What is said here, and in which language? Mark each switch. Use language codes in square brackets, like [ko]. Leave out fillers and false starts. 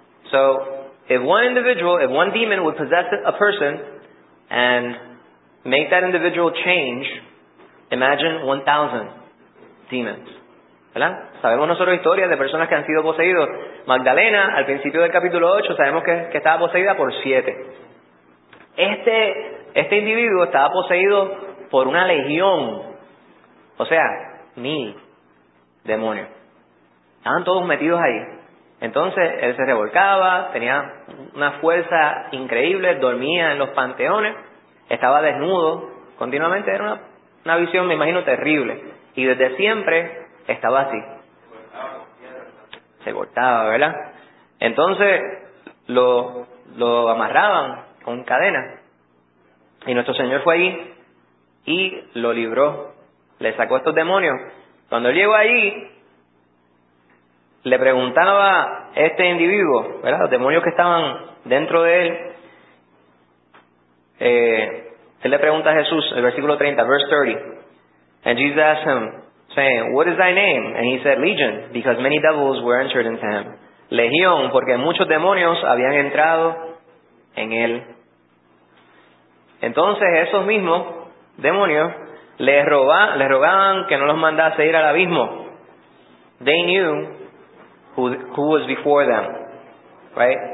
[en] So, if one demon would possess a person and make that individual change, imagine 1,000 demons. [es] ¿Verdad? Sabemos nosotros historias de personas que han sido poseídos. Magdalena, al principio del capítulo 8, sabemos que estaba poseída por 7. Este individuo estaba poseído por una legión. O sea, 1,000 demonios. Estaban todos metidos ahí. Entonces, él se revolcaba, tenía una fuerza increíble, dormía en los panteones, estaba desnudo continuamente. Era una visión, me imagino, terrible. Y desde siempre estaba así. Se cortaba, ¿verdad? Entonces, lo amarraban con cadena. Y nuestro Señor fue allí y lo libró. Le sacó estos demonios. Cuando él llegó allí, le preguntaba este individuo, ¿verdad? Los demonios que estaban dentro de él. Él le pregunta a Jesús, el versículo 30, [en] verse 30. And Jesus asked him, saying, what is thy name? And he said, Legion, because many devils were entered into him. [es] Legión, porque muchos demonios habían entrado en él. Entonces esos mismos demonios le rogaban que no los mandase ir al abismo. [en] They knew who was before them. Right?